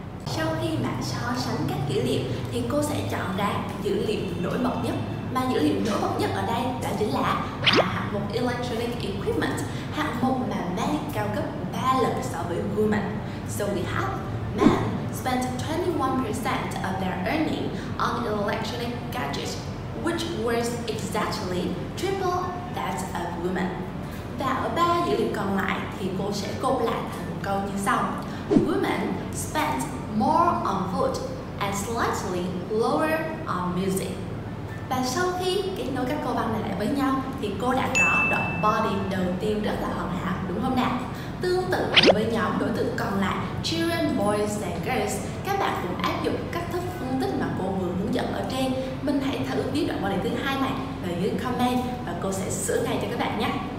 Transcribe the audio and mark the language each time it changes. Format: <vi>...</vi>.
<vi>Sau khi mà so sánh các dữ liệu thì cô sẽ chọn ra dữ liệu nổi bật nhất. Mà dữ liệu nổi bật nhất ở đây đã chính là hạng mục electronic equipment, hạng mục mà man cao cấp 3 lần so với woman.</vi> <en>So we have man spent 21% of their earning on electronic gadgets, which was exactly triple that of women.</en> <vi>Và ở 3 dữ liệu còn lại thì cô sẽ gộp lại thành một câu như sau.</vi> <en>Women spent more on food and slightly lower on music.</en> <vi>Và sau khi kết nối các câu văn này lại với nhau thì cô đã có đoạn body đầu tiên rất là hoàn hảo, đúng không nào? Tương tự với nhóm đối tượng còn lại, children, boys and girls, các bạn cũng áp dụng cách thức phân tích mà cô vừa hướng dẫn ở trên. Mình hãy thử viết đoạn body thứ hai này ở dưới comment và cô sẽ sửa ngay cho các bạn nhé.</vi>